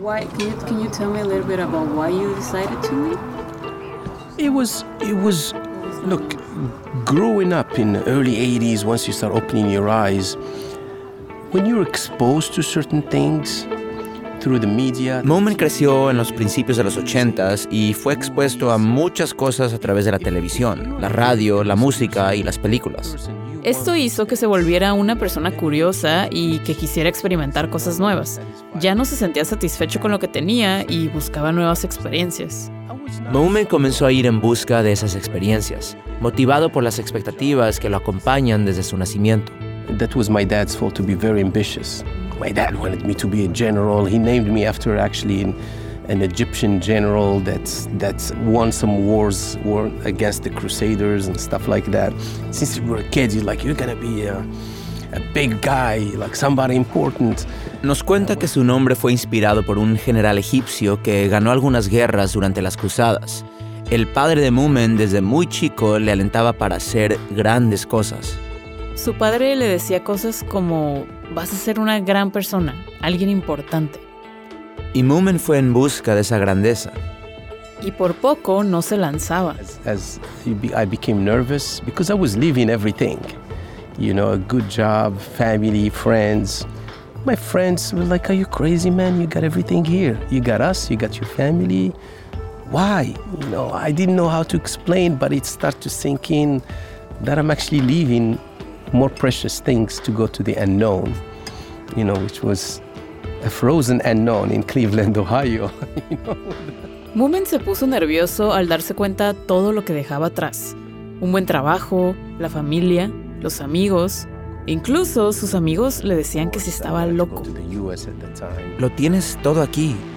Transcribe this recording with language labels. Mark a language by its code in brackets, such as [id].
[en] Why can you tell me a little bit about why you decided to leave? It was look, growing up in the early 80s, once you start opening your eyes, when you're exposed to certain things through the media. [es] Moomin creció en los principios de los 80s y fue expuesto a muchas cosas a través de la televisión, la radio, la música y las películas. Esto hizo que se volviera una persona curiosa y que quisiera experimentar cosas nuevas. Ya no se sentía satisfecho con lo que tenía y buscaba nuevas experiencias. Moomin comenzó a ir en busca de esas experiencias, motivado por las expectativas que lo acompañan desde su nacimiento. [en] That was my dad's fault to be very ambitious. My dad wanted me to be a general. He named me after actually an Egyptian general that won some war against the Crusaders and stuff like that. Since we were kids, you're like, you're gonna be a big guy, like somebody important. [es] Nos cuenta que su nombre fue inspirado por un general egipcio que ganó algunas guerras durante las cruzadas. El padre de Moomin, desde muy chico, le alentaba para hacer grandes cosas. Su padre le decía cosas como, vas a ser una gran persona, alguien importante. Y Moomin fue en busca de esa grandeza. Y por poco no se lanzaba. [en] I became nervous because I was leaving everything. You know, a good job, family, friends. My friends were like, are you crazy, man? You got everything here. You got us, you got your family. Why? You know, I didn't know how to explain, but it started to sink in that I'm actually leaving more precious things to go to the unknown, you know, which was... A frozen unknown in Cleveland, Ohio. You know? [es] Moomin se puso nervioso al darse cuenta todo lo que dejaba atrás. Un buen trabajo, la familia, los amigos. Incluso sus amigos le decían que si estaba loco. Lo tienes todo aquí.